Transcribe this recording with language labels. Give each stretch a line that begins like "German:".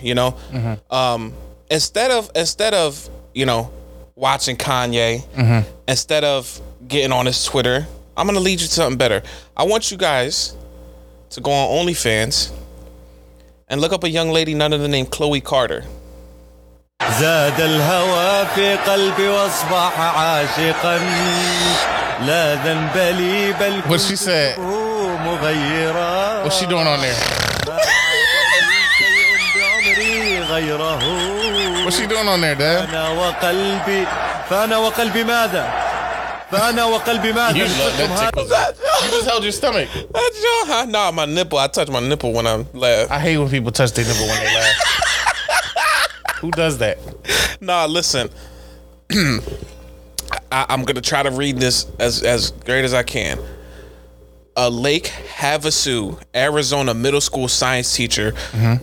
English: You know, mm-hmm. instead of you know, watching Kanye, mm-hmm. instead of getting on his Twitter, I'm gonna lead you to something better. I want you guys to go on OnlyFans and look up a young lady under the name Khloe Carter.
Arabic: زاد الهوى في قلبي واصبح عاشقا لا ذنب لي بل كنت
English: What she said?
Arabic: مغيرا
English: What she doing on there? What she doing on there, Dad?
Arabic: فانا وقلبي فانا وقلبي ماذا
English: you just held your stomach. That's your, huh? Nah, my nipple. I touch my nipple when I laugh. I hate when people touch their nipple when they laugh. Who does that? Nah, listen. I'm going to try to read this as great as I can. A Lake Havasu, Arizona middle school science teacher mm-hmm.